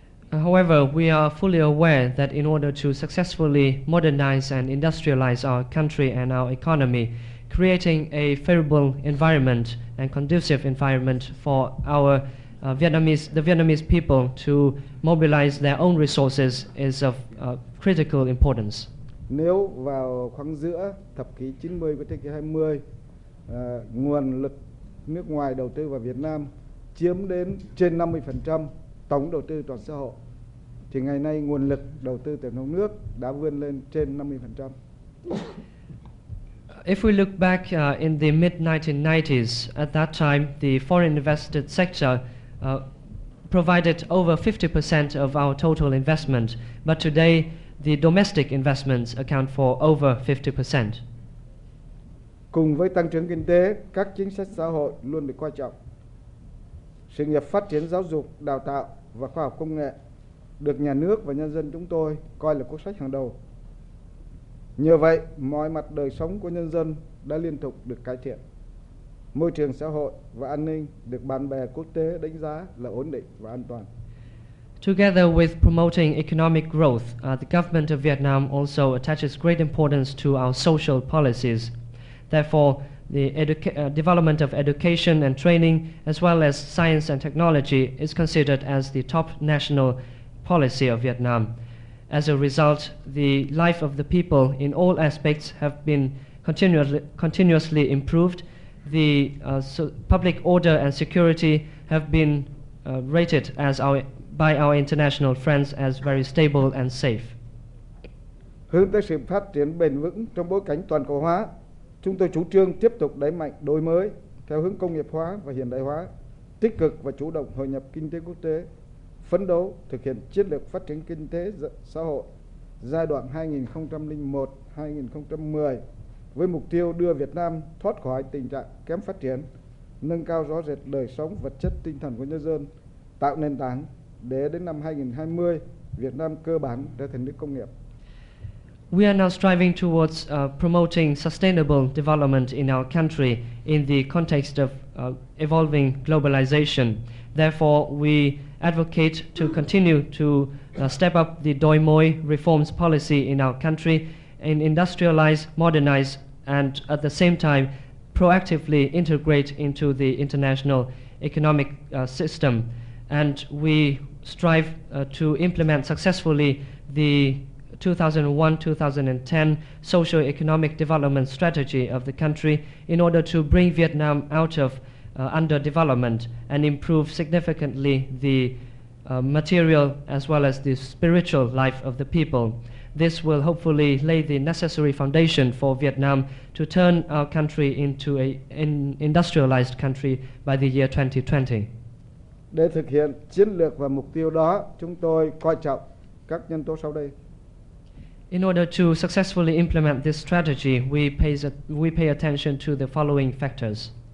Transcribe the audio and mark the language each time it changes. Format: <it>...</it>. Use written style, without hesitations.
<en>However, we are fully aware that in order to successfully modernize and industrialize our country and our economy, creating a favorable environment and conducive environment for our Vietnamese people to mobilize their own resources is of critical importance.</en> <vi>Nếu vào khoảng giữa thập kỷ 90 của thế kỷ 20, nguồn lực nước ngoài đầu tư vào Việt Nam chiếm đến trên 50% tổng đầu tư toàn xã hội, thì ngày nay nguồn lực đầu tư từ trong nước đã vươn lên trên 50%.</vi> <en>If we look back in the mid-1990s, at that time, the foreign invested sector provided over 50% of our total investment, but today the domestic investments account for over 50%.</en> <vi>Cùng với tăng trưởng kinh tế, các chính sách xã hội luôn được quan trọng. Sự nghiệp phát triển giáo dục, đào tạo và khoa học công nghệ được nhà nước và nhân dân chúng tôi coi là quốc sách hàng đầu. Nhờ vậy, mọi mặt đời sống của nhân dân đã liên tục được cải thiện. Môi trường xã hội và an ninh được bạn bè quốc tế đánh giá là ổn định và an toàn.</vi> <en>Together with promoting economic growth, the government of Vietnam also attaches great importance to our social policies. Therefore, the development of education and training, as well as science and technology, is considered as the top national policy of Vietnam. As a result, the life of the people in all aspects have been continuously improved. The public order and security have been rated as by our international friends as very stable and safe.</en> <vi>Hướng tới sự phát triển bền vững trong bối cảnh toàn cầu hóa, chúng tôi chủ trương tiếp tục đẩy mạnh đổi mới theo hướng công nghiệp hóa và hiện đại hóa, tích cực và chủ động hội nhập kinh tế quốc tế, phấn đấu thực hiện chiến lược phát triển kinh tế xã hội giai đoạn 2001-2010 với mục tiêu đưa Việt Nam thoát khỏi tình trạng kém phát triển, nâng cao rõ rệt đời sống vật chất tinh thần của nhân dân, tạo nền tảng để đến năm 2020 Việt Nam cơ bản trở thành nước công nghiệp.</vi> <en>We are now striving towards promoting sustainable development in our country in the context of evolving globalization. Therefore, we advocate to continue to step up the Doi Moi reforms policy in our country and industrialize, modernize, and at the same time proactively integrate into the international economic system. And we strive to implement successfully the 2001-2010 socio-economic development strategy of the country in order to bring Vietnam out of underdevelopment and improve significantly the material as well as the spiritual life of the people. This will hopefully lay the necessary foundation for Vietnam to turn our country into an industrialized country by the year 2020.</en> <vi>Để thực hiện chiến lược và mục tiêu đó, chúng tôi coi trọng các nhân tố sau đây.</vi> <en>In order to successfully implement this strategy, we pay attention to the following factors.</en>